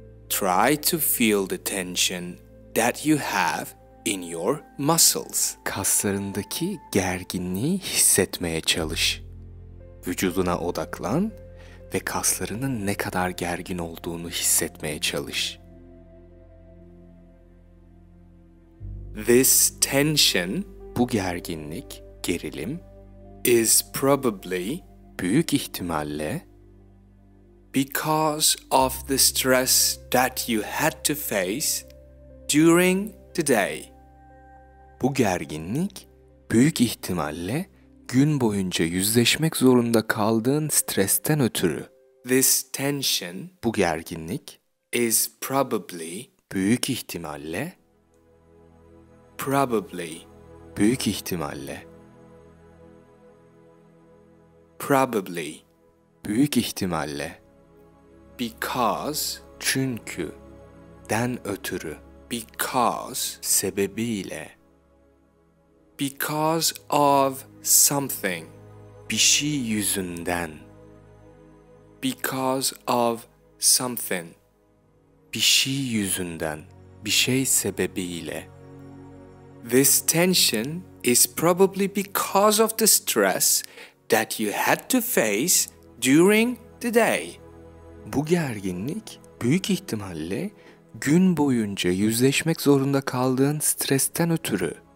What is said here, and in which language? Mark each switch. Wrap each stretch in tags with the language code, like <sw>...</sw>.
<en>Try to feel the tension that you have in your muscles,</en> <tr>kaslarındaki gerginliği hissetmeye çalış. Vücuduna odaklan ve kaslarının ne kadar gergin olduğunu hissetmeye çalış.</tr> <en>This tension,</en> <tr>bu gerginlik, gerilim,</tr> <en>is probably,</en> <tr>büyük ihtimalle,</tr> <en>because of the stress that you had to face during the day.</en> <tr>Bu gerginlik, büyük ihtimalle, gün boyunca yüzleşmek zorunda kaldığın stresten ötürü.</tr> <en>This tension,</en> <tr>bu gerginlik,</tr> <en>is probably,</en> <tr>büyük ihtimalle,</tr> <en>probably,</en> <tr>büyük ihtimalle,</tr> <en>probably,</en> <tr>büyük ihtimalle,</tr> <en>because,</en> <tr>çünkü, den ötürü,</tr> <en>because,</en> <tr>sebebiyle,</tr> <en>because of something,</en> <tr>bir şey yüzünden,</tr> <en>because of something,</en> <tr>bir şey yüzünden, bir şey sebebiyle.</tr> <en>This tension is probably because of the stress that you had to face during the day.</en> <tr>Bu gerginlik büyük ihtimalle gün boyunca yüzleşmek zorunda kaldığın stresten ötürü.</tr>